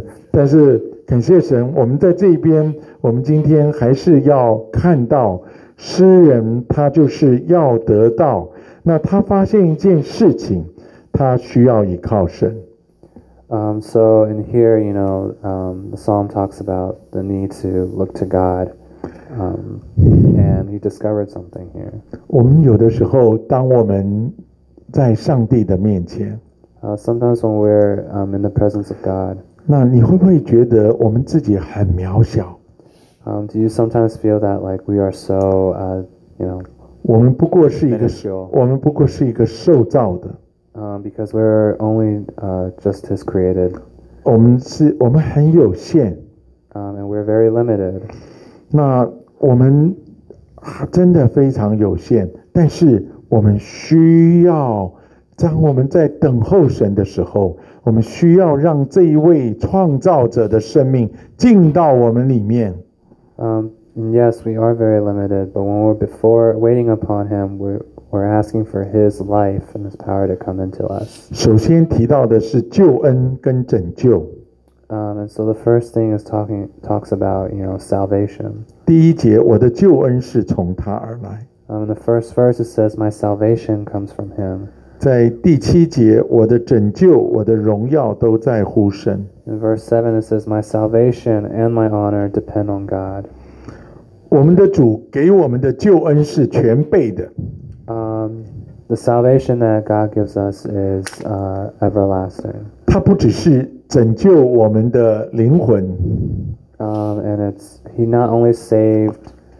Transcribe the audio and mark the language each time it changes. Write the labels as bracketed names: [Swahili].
[Chinese] 但是感谢神，我们在这边，我们今天还是要看到诗人，他就是要得到。那他发现一件事情。他需要依靠神。 [English] So in here, you know, the psalm talks about the need to look to God, and he discovered something here. [Chinese] 我们有的时候，当我们在上帝的面前 [English] ，sometimes when we're in the presence of God, [Chinese] 那你会不会觉得我们自己很渺小 [English] ？Do you sometimes feel that like we are so, you know, [Chinese] 我们不过是一个， 我们不过是一个受造的。 [English] Because we're only just His created. [Chinese] 我们很有限。 [English] And we're very limited. [Chinese] 那我们真的非常有限，但是我们需要，当我们在等候神的时候，我们需要让这一位创造者的生命进到我们里面。 [English] Yes, we are very limited, but when we're before waiting upon Him, We're asking for His life and His power to come into us. [Chinese] 首先提到的是救恩跟拯救。 [English] And so the first thing is talks about, you know, salvation. [Chinese] 第一节，我的救恩是从他而来。 [English] In the first verse, it says, "My salvation comes from Him." [Chinese] 在第七节，我的拯救，我的荣耀都在乎神。 [English] In verse 7, it says, "My salvation and my honor depend on God." [Chinese] 我们的主给我们的救恩是全备的。 [English] The salvation that God gives us is everlasting. [Chinese] 他不只是拯救我们的灵魂。 [English] And it's He not only saved.